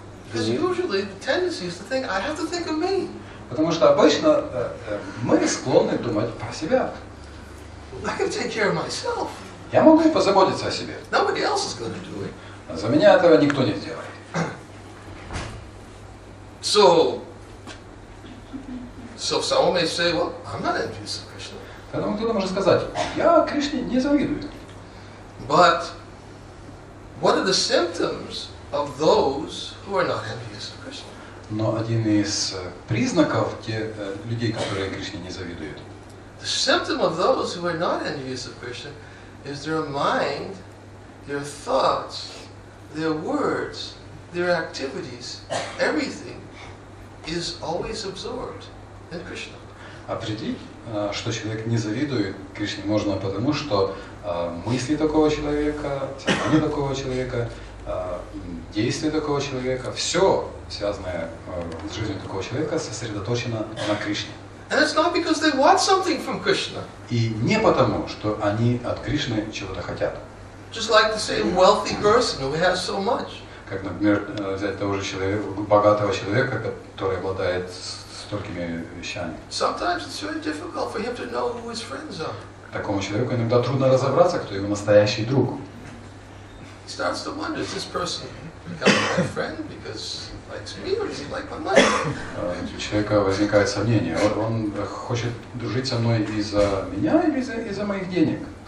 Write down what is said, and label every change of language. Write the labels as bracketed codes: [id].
[en] Because usually the tendency is to think I have to think of me. [ru] Потому что обычно мы склонны думать про себя. [en] I can take care of myself. [ru] Я могу и позаботиться о себе. [en] Nobody else is going to do it. [ru] За меня этого никто не сделает. [en] So someone may say, well, I'm not envious of Krishna. [ru] Поэтому кто-то может сказать, я Кришне не завидую. [en] But what are the symptoms of those who are not envious of Krishna? [ru] Но один из признаков людей, которые Кришне не завидуют. [en] The symptom of those who are not envious of Krishna is their mind, their thoughts, their words, their activities, everything is always absorbed in Krishna. [ru] Определить, что человек не завидует Кришне, можно потому, что мысли такого человека, сознание такого человека, действия такого человека, все связанное с жизнью такого человека, сосредоточено на Кришне. [en] And it's not because they want something from Krishna. [ru] И не потому, что они от Кришны чего-то хотят. [en] Just like the same wealthy person who has so much. [ru] Как, например, взять того же человека, богатого человека, который обладает столькими вещами. [en] Sometimes it's very difficult for him to know who his friends are. [ru] Такому человеку иногда трудно разобраться, кто его настоящий друг. [en] He starts to wonder, is this person becoming my friend because he likes me or does he like my money? [ru] У человека возникает сомнение. Он хочет дружить со мной из-за меня или из-за моих денег?